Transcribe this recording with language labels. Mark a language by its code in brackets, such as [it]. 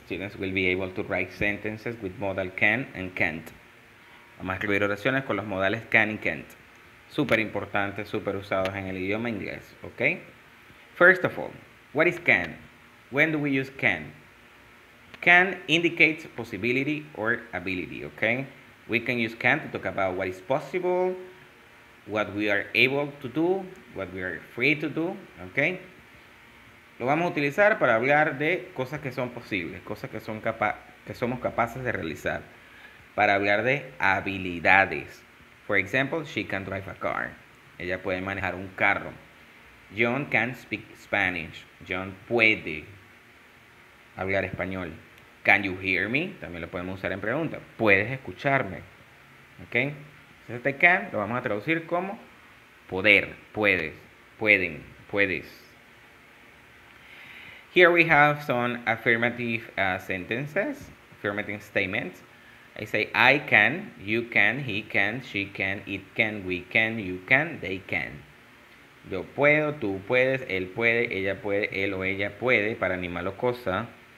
[en] Students will be able to write sentences with modal can and can't. [es] Vamos a escribir oraciones con los modales can y can't. Super importantes, super usados en el idioma inglés, okay? [en] First of all, what is can? When do we use can? Can indicates possibility or ability, okay? We can use can to talk about what is possible, what we are able to do, what we are free to do, okay? [es] Lo vamos a utilizar para hablar de cosas que son posibles, cosas que son que somos capaces de realizar. Para hablar de habilidades. [en] For example, she can drive a car. [es] Ella puede manejar un carro. [en] John can speak Spanish. [es] John puede hablar español. [en] Can you hear me? [es] También lo podemos usar en pregunta. ¿Puedes escucharme? Okay. Este can lo vamos a traducir como poder, puedes, pueden, puedes. [en] Here we have some affirmative sentences, affirmative statements. I say I can, you can, he can, she can, it can, we can, you can, they can. [es] Yo puedo, tú puedes, él puede, ella puede, él o ella puede, para animar la cosa.